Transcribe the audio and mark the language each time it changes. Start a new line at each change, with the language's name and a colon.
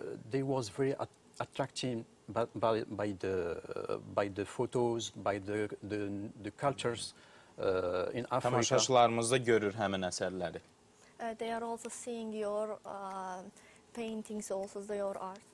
English: They was very attracting by the photos, by the cultures in Africa.
Azerbaijani: Tamaşaçılarımızda görür həmin əsərləri.
English: They are also seeing your paintings, also your art.